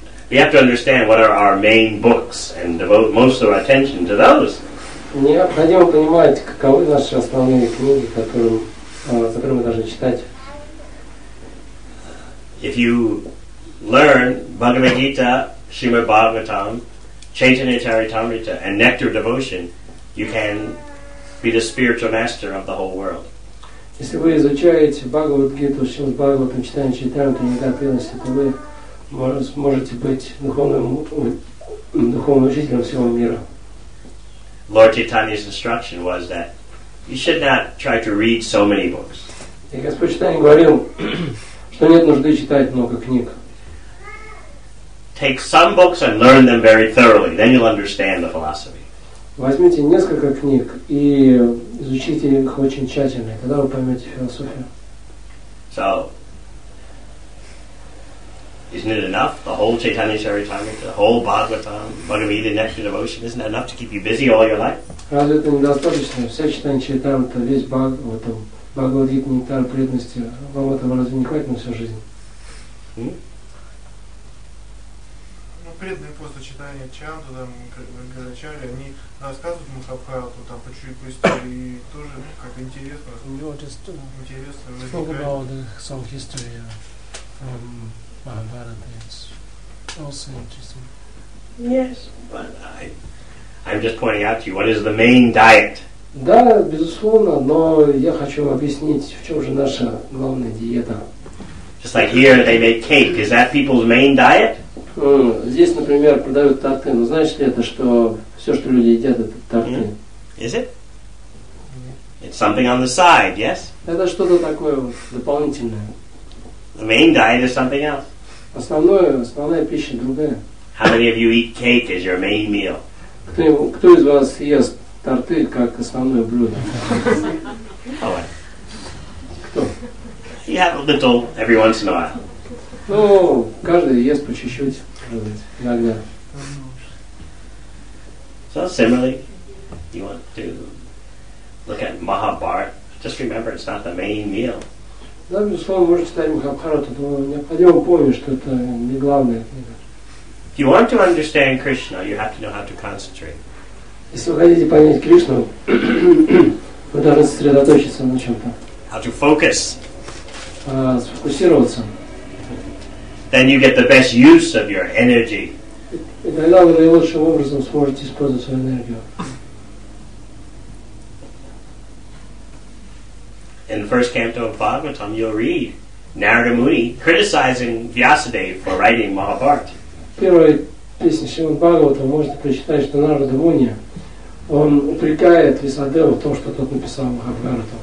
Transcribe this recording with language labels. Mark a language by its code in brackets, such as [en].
[en] We have to understand what are our main books and devote most of our attention to those. [ru] Необходимо понимать, каковы наши основные книги, которые мы должны читать. [en] If you learn Bhagavad Gita, Srimad Bhagavatam, Chaitanya Charitamrita, and Nectar Devotion, you can be the spiritual master of the whole world. [ru] Если вы изучаете Бхагавад Гиту, Шримад Бхагаватам, Чайтанья Чайтамриту, Нектар Преданности, то вы можете быть духовным учителем всего мира. [en] Lord Chaitanya's instruction was that you should not try to read so many books. [ru] И Господь Чайтанья говорил, что нет нужды читать много книг. [en] Take some books and learn them very thoroughly, then you'll understand the philosophy. [ru] Возьмите несколько книг и изучите их очень тщательно, и тогда вы поймете философию. [en] So, isn't it enough? The whole Chaitanya Charitamrita, the whole Bhagavatam, Bhagavad Gita, Nectar Devotion, isn't that enough to keep you busy all your life? [ru] Разве это недостаточно? Все Chaitanya Charitamrita, весь Бхагаватам, Бхагавад Гита, Нектар Преданности, вам этого разве не хватит на всю жизнь? Преданные после читания чанту, там, Гарачари, они рассказывают Махабхарату, там, по чуть-чуть по истории, и тоже, ну, как интересно. Интересно возникает. [en] Talk about some history from Mahabharata, it's also interesting. Yes, but I'm just pointing out to you, what is the main diet? [ru] Да, безусловно, но я хочу объяснить, в чем же наша главная диета. [en] Just like here, they make cake. Is that people's main diet? [ru] Здесь, например, продают торты. Но значит ли это, что все, что люди едят, это торты? Mm-hmm. [en] Is it? It's something on the side, yes? [ru] Это что-то такое вот дополнительное. [en] The main diet is something else. [ru] Основная пища другая. [en] How many of you eat cake as your main meal? [ru] Кто из вас ест торты как основное блюдо? Oh, кто? [en] You have a little every once in a while. [ru] Ну, каждый ест по чуть-чуть, иногда. [en] So similarly, you want to look at Mahabharata. Just remember, it's not the main meal. [ru] Да, безусловно, можно читать Махабхарату, но необходимо помнить, что это не главная книга. [en] If you want to understand Krishna, you have to know how to concentrate. [ru] Если вы хотите понять Кришну, вы должны сосредоточиться на чем-то. [en] How to focus. [ru] Сфокусироваться. [en] Then you get the best use of your energy. [ru] И тогда вы наилучшим образом сможете использовать свою энергию. [en] In the first canto of Bhagavatam, you'll read Narada Muni criticizing Vyasadeva for writing Mahabharata. [ru] В первой песне Шримад Бхагаватам можете прочитать, что Нарада Муни, он упрекает Вьясадеву в том, что тот написал Махабхарату.